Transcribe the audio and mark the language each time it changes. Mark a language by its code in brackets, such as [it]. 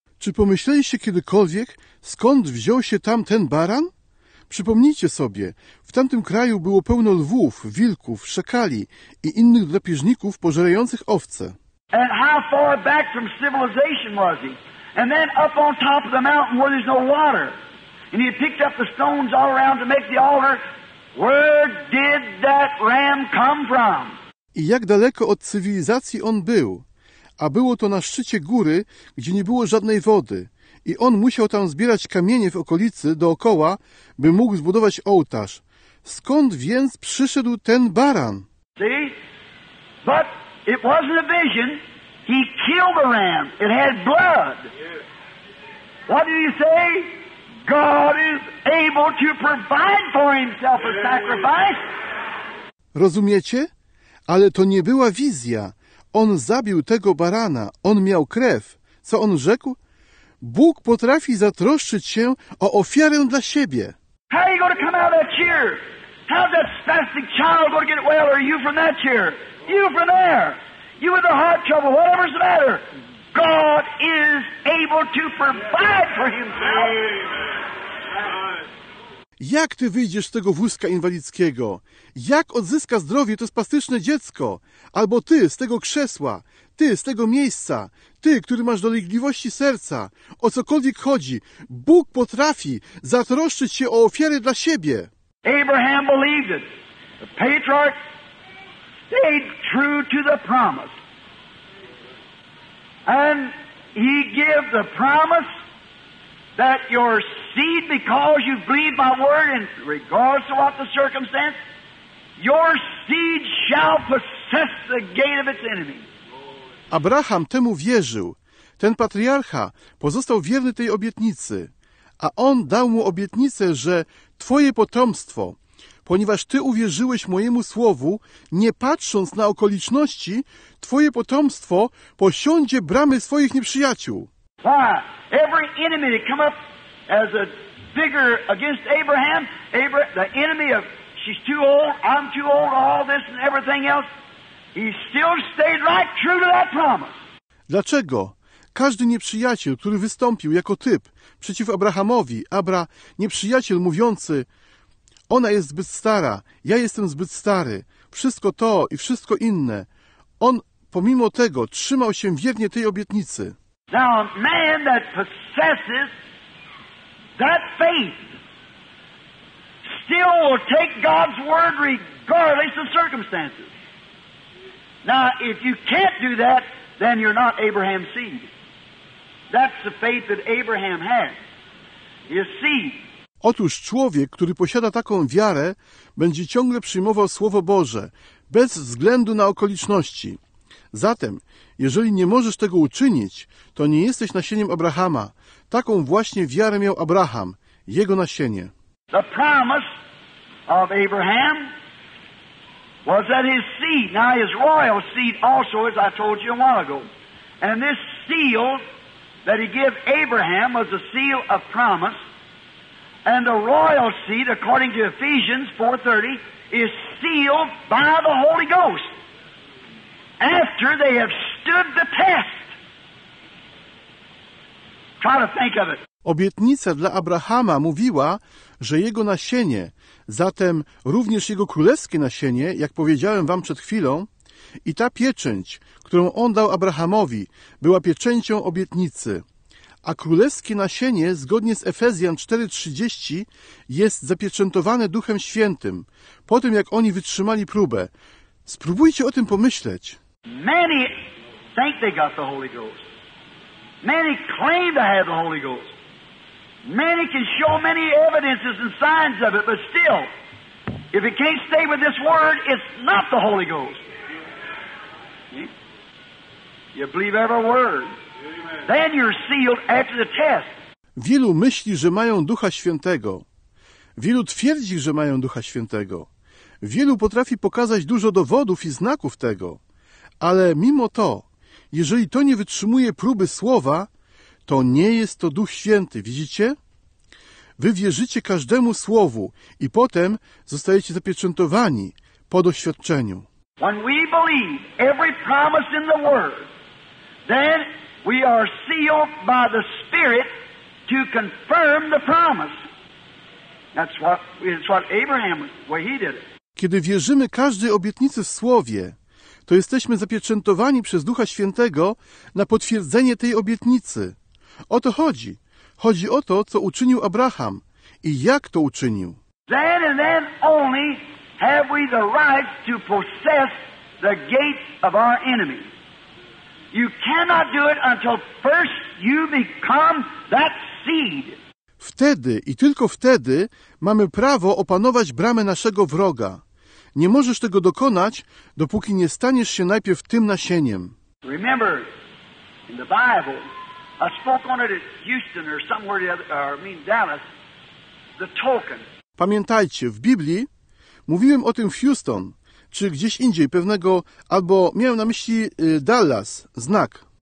[pl] Czy pomyśleliście kiedykolwiek, skąd wziął się tam ten baran? Przypomnijcie sobie, w tamtym kraju było pełno lwów, wilków, szakali i innych drapieżników pożerających owce. [en] And how far back from civilization was he? And then up on top of the mountain where there's no water. And he picked up the stones all around to make the altar. Where did that ram come from? [pl] I jak daleko od cywilizacji on był? A było to na szczycie góry, gdzie nie było żadnej wody. I on musiał tam zbierać kamienie w okolicy, dookoła, by mógł zbudować ołtarz. Skąd więc przyszedł ten baran? [en] See? But it wasn't a vision. He killed the ram. It had blood. What did he say? God is able to provide for himself a sacrifice. [pl] Rozumiecie? Ale to nie była wizja. On zabił tego barana. On miał krew. Co on rzekł? Bóg potrafi zatroszczyć się o ofiarę dla siebie. [en] How are you going to come out of that chair? How's that spastic child going to get well? Or are you from that chair? You from there? You with the heart trouble? Whatever's the matter? God is able to provide for himself. [pl] Jak ty wyjdziesz z tego wózka inwalidzkiego? Jak odzyska zdrowie to spastyczne dziecko? Albo ty z tego krzesła, ty z tego miejsca, ty, który masz dolegliwości serca, o cokolwiek chodzi, Bóg potrafi zatroszczyć się o ofiary dla siebie. [en] Abraham believed it. The patriarch stayed true to the promise. And he gave the promise that your seed, because you believe my word, and regardless of what the circumstance, your seed shall possess the gate of its enemy. [pl] Abraham temu wierzył. Ten patriarcha pozostał wierny tej obietnicy, a on dał mu obietnicę, że twoje potomstwo, ponieważ ty uwierzyłeś mojemu słowu, nie patrząc na okoliczności, twoje potomstwo posiądzie bramy swoich nieprzyjaciół. [en] Why? Every enemy that come up as a figure against Abraham, the enemy of she's too old, I'm too old, all this and everything else, he still stayed right true to that promise. [pl] Dlaczego? Każdy nieprzyjaciel, który wystąpił jako typ przeciw Abrahamowi, nieprzyjaciel mówiący, ona jest zbyt stara, ja jestem zbyt stary, wszystko to i wszystko inne, on pomimo tego trzymał się wiernie tej obietnicy. [en] Now, a man that possesses that faith still will take God's word regardless of circumstances. Now, if you can't do that, then you're not Abraham's seed. That's the faith that Abraham had. His seed. [pl] Otóż człowiek, który posiada taką wiarę, będzie ciągle przyjmował Słowo Boże, bez względu na okoliczności. Zatem, jeżeli nie możesz tego uczynić, to nie jesteś nasieniem Abrahama. Taką właśnie wiarę miał Abraham, jego nasienie. [en] The promise of Abraham was that his seed, now his royal seed also, as I told you a while ago, and this seal that he gave Abraham was the seal of promise, and the royal seat, according to Ephesians 4:30, is sealed by the Holy Ghost after they have stood the test. Try to think of it. [pl] Obietnica dla Abrahama mówiła, że jego nasienie, zatem również jego królewskie nasienie, jak powiedziałem wam przed chwilą, i ta pieczęć, którą on dał Abrahamowi, była pieczęcią obietnicy. A królewskie nasienie, zgodnie z Efezjan 4:30, jest zapieczętowane Duchem Świętym, po tym jak oni wytrzymali próbę. Spróbujcie o tym pomyśleć. [en] Many think they got the Holy Ghost. Many claim to have the Holy Ghost. Many can show many evidences and signs of it, but still, if it can't stay with this word, it's not the Holy Ghost. You believe every word. Then you're sealed after the test. [pl] Wielu myśli, że mają Ducha Świętego. Wielu twierdzi, że mają Ducha Świętego. Wielu potrafi pokazać dużo dowodów i znaków tego. Ale mimo to, jeżeli to nie wytrzymuje próby słowa, to nie jest to Duch Święty, widzicie? Wy wierzycie każdemu słowu i potem zostajecie zapieczętowani po doświadczeniu. [en] When we believe every promise in the word, then we are sealed by the Spirit to confirm the promise. That's what Abraham, well, he did it. [pl] Kiedy wierzymy każdej obietnicy w słowie, to jesteśmy zapieczętowani przez Ducha Świętego na potwierdzenie tej obietnicy. O to chodzi. Chodzi o to, co uczynił Abraham i jak to uczynił. [en] Then and then only have we the right to possess the gates of our enemy. You cannot do it until first you become that seed. [pl] Wtedy i tylko wtedy mamy prawo opanować bramę naszego wroga. Nie możesz tego dokonać, dopóki nie staniesz się najpierw tym nasieniem. [en] Remember, in the Bible, I spoke on it at Houston or somewhere, Dallas, the token. [pl] Pamiętajcie, w Biblii mówiłem o tym w Houston, czy gdzieś indziej, pewnego, albo miałem na myśli Dallas, znak.